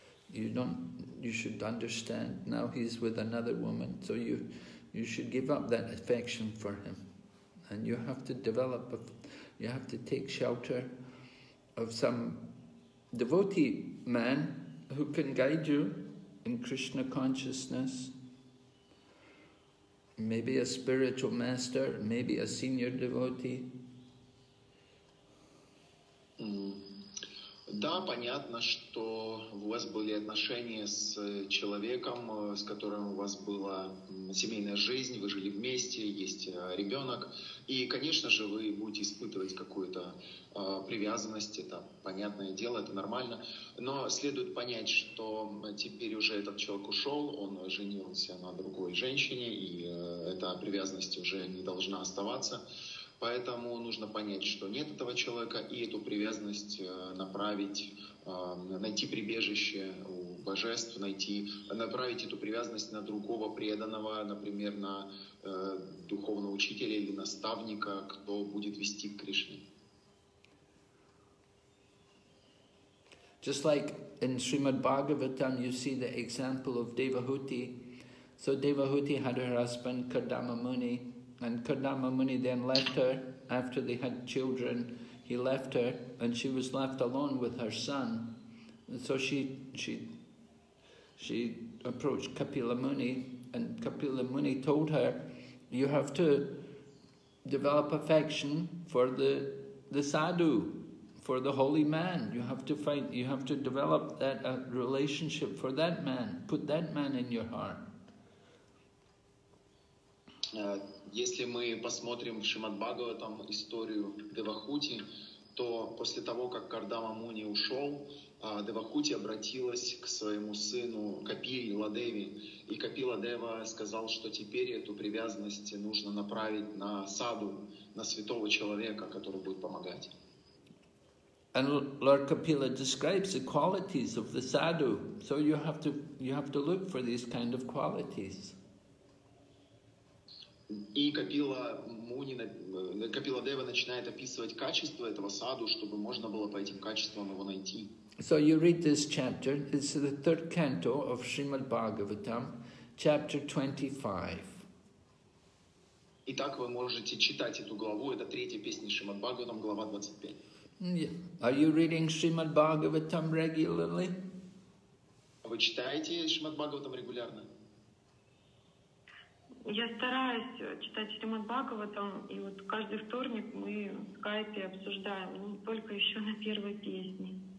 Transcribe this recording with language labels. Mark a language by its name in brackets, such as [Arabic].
[English] You should understand now he's with another woman, so you should give up that affection for him, and you have to develop you have to take shelter of some devotee man who can guide you in Krishna consciousness, maybe a spiritual master, maybe a senior devotee. [Russian] Да, понятно, что у вас были отношения с человеком, с которым у вас была семейная жизнь, вы жили вместе, есть ребенок, и, конечно же, вы будете испытывать какую-то привязанность, это понятное дело, это нормально, но следует понять, что теперь уже этот человек ушел, он женился на другой женщине, и эта привязанность уже не должна оставаться. Поэтому нужно понять, что нет этого человека, и эту привязанность направить, найти прибежище у божеств, направить эту привязанность на другого преданного, например, на духовного учителя или наставника, кто будет вести к Кришне. [English] Just like in Srimad Bhagavatam, you see the example of Devahuti. So Devahuti had her husband Kardama Muni. And Kardama Muni then left her after they had children. He left her and she was left alone with her son. And so she approached Kapila Muni, and Kapila Muni told her, you have to develop affection for the sadhu, for the holy man. You have to develop that relationship for that man. Put that man in your heart. [Russian] Если мы посмотрим в Шримад-Бхагаватам историю Девахути, то после того, как Кардама Муни ушел, Девахути обратилась к своему сыну Капиле Ладеве, и Капила Дева сказал, что теперь эту привязанность нужно направить на саду, на святого человека, который будет помогать. [English] And Lord Kapila describes the qualities of the sadhu, so you have to look for these kind of qualities. [Russian] И Капила Муни, Капила Дева начинает описывать качества этого саду, чтобы можно было по этим качествам его найти. [English] So you read this chapter. It's the third canto of Srimad Bhagavatam, chapter 25. [Russian] Итак, вы можете читать эту главу. Это третья песня Шримад Бхагаватам, глава 25. [English] Yeah. Are you reading Srimad Bhagavatam regularly? [Russian] Вы читаете Шримад Бхагаватам регулярно? Я стараюсь читать Шримад Бхагаватам, и вот каждый вторник мы в скайпе обсуждаем, не только еще на первой песне.